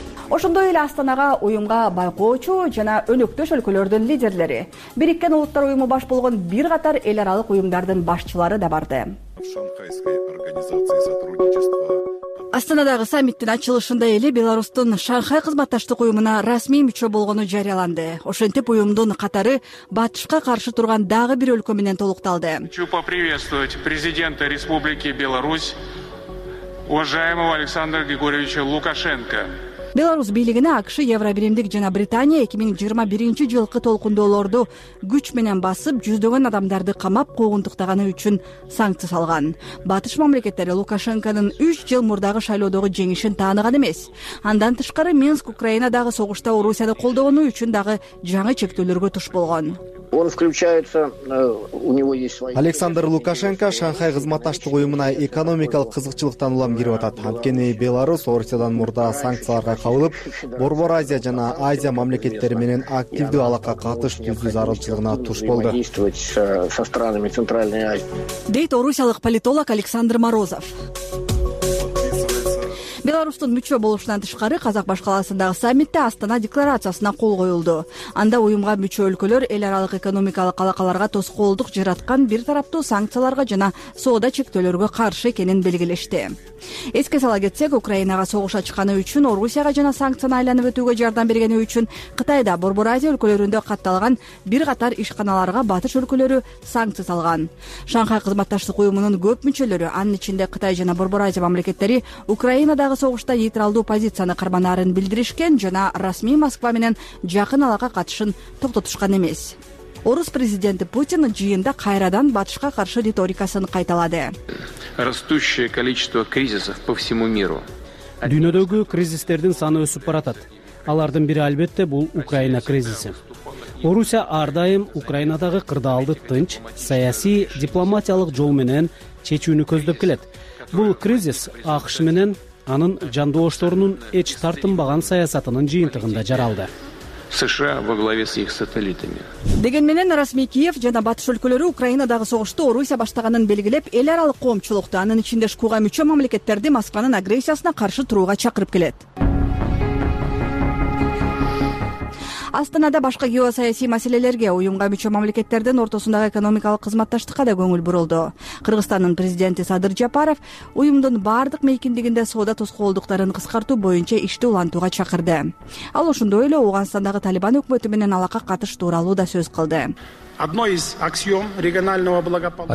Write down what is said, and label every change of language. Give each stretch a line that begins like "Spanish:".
Kyrgyz: Ошондой эле Астанага уюмга байкоочу жана өнөктөш өлкөлөрдүн лидерлери, Бириккен Улуттар Уюму баш болгон бир катар эл аралык уюмдардын башчылары да барды. Астанадагы саммиттин ачылышында эле Беларусьтун Шанхай кызматташтык уюмуна расмий мүчө болгону жарыяланды. Ошентип уюмдун катары батышка каршы турган дагы бир өлкө менен толукталды.
Russian: Хочу поприветствовать президента Республики Беларусь, уважаемого Александра Григорьевича Лукашенко.
Kyrgyz: Беларусь бийлигине АКШ, Евробиримдик жана Британия 2021 жылкы толкундоолорду күч менен басып, жүздөгөн адамдарды камап куугунтуктаганы үчүн санкция салган. Батыш мамлекеттери Лукашенконун 3 жыл мурдагы шайлоодогу жеңишин тааныган эмес. Андан тышкары Минск Украинадагы согушта Орусияны колдогону үчүн дагы жаңы чектөөлөргө туш болгон.
Russian: Он включается, у него есть свои.
Kyrgyz: Александр Лукашенко Шанхай кызматташтык уюмуна экономикалык кызыкчылыктан улам кирип атат. Анткени Беларусь Орусиядан мурда санкцияларга кабылып, Борбор Азия жана Азия мамлекеттери менен активдүү алака катыш түзүү зарылчылыгына туш болду.
Russian: Со странами Центральной Азии.
Kyrgyz: Дейт орусиялык политолог Александр Морозов. Беларусьтун мүчө болушунан тышкары Казак башкаласындагы саммитте Астана декларациясына кол коюлду. Анда уюмга мүчө өлкөлөр эл аралык экономикалык алакаларга тоскоолдук жараткан бир тараптуу санкцияларга жана соода чектөөлөргө каршы экенин белгилешти. Эске сала кетсек, Украинага согуш ачканы үчүн Орусияга жана санкцияны айланып өтүүгө жардам бергени үчүн Кытайда, Борбор Азия өлкөлөрүндө катталган бир катар ишканаларга батыш өлкөлөрү санкция салган. Шанхай кызматташтык уюмунун көп мүчөлөрү, анын ичинде Кытай жана Борбор Азия мамлекеттери Украинадагы согушта нейтралдуу позицияны карманарын билдиришкен жана расмий Москва менен жакын алака катышын токтотушкан эмес. Орус президенти Путин жыйында кайрадан батышка каршы риторикасын кайталады.
Russian: Растущее количество кризисов по всему миру.
Kyrgyz: Дүйнөдөгү кризистердин саны өсүп баратат. Алардын бири албетте бул Украина кризиси. Орусия ар дайым Украинадагы кырдаалды тынч, саясий, дипломатиялык жол менен чечүүнү көздөп келет. Бул кризис АКШ менен анын жандоошторунун эч тартынбаган саясатынын жыйынтыгында жаралды.
Russian: США во главе с их сателлитами.
Kyrgyz: Деген менен расмий Киев жана батыш өлкөлөрү Украинадагы согушту Орусия баштаганын белгилеп, эл аралык коомчулукту, анын ичинде шкуга мүчө мамлекеттерди Москванын агрессиясына каршы турууга чакырып келет. Астанада башка геосаясий маселелерге, уюмга мүчө мамлекеттердин ортосундагы экономикалык кызматташтыкка да көңүл бурулду. Кыргызстандын президенти Садыр Жапаров уюмдун бардык мейкиндигинде соода тоскоолдуктарын кыскартуу боюнча ишти улантууга чакырды. Ал ошондой эле Ооганстандагы Талибан өкмөтү менен алака катыш тууралуу да сөз кылды.
Russian: Одной из аксиом регионального благополучия.